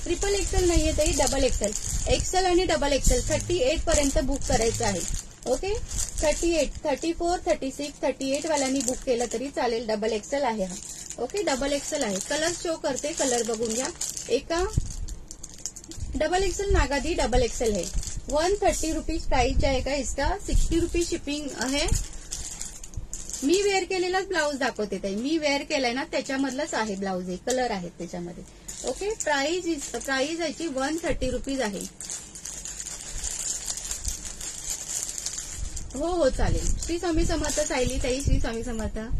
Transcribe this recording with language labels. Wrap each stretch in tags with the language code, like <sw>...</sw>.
<mr>Triple XL नाहीये ताई, double XL. XL आणि डबल एक्सएल 38 पर्यंत बुक करायचं आहे. ओके, 38 34 36 38 वाल्यांनी बुक केलं तरी चालेल. डबल एक्सएल आहे हा. ओके, डबल एक्सएल आहे. कलर शो करते, कलर बघून घ्या. एका डबल एक्सएल नागादी डबल एक्सएल आहे.</mr> <hi>130 रुपीज प्राइस जाएगा इसका.</hi> <mr>60 रुपीज शिपिंग आहे. मी वेअर केलेलाच ब्लाऊज दाखवते ताई. मी वेअर केलाय ना, त्याच्यामधलाच आहे ब्लाऊज, एक कलर आहे त्याच्यामध्ये. ओके, प्राइस प्राइस याची 130 रुपीज आहे. हो हो, चालेल. श्री स्वामी समर्थ सायली ताई, श्री स्वामी समर्थ.</mr>